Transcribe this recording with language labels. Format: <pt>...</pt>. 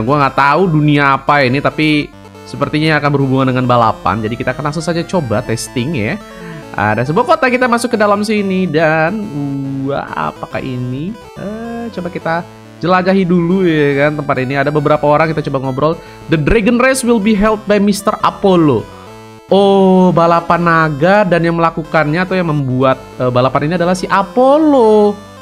<id>Gua nggak tahu dunia apa ini, tapi sepertinya akan berhubungan dengan balapan. Jadi kita akan langsung saja coba testing ya. Ada sebuah kota, kita masuk ke dalam sini. Dan wah, apakah ini? Coba kita jelajahi dulu ya kan tempat ini. Ada beberapa orang, kita coba ngobrol.</id> <en>The Dragon Race will be held by Mr. Apollo.</en> <id>Oh, balapan naga, dan yang melakukannya atau yang membuat balapan ini adalah si Apollo.</id>